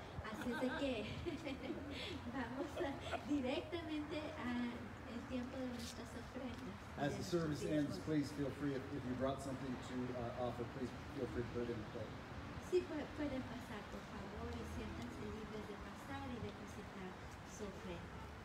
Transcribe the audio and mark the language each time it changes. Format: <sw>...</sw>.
<es>Así es que vamos directamente a el tiempo de nuestras ofrendas.</es> <en>As the service ends, please feel free, if you brought something to offer, please feel free to put it in the plate.</en> <es>Sí, pueden pasar, por favor, y siéntanse libres de pasar y depositar su ofrenda.</es>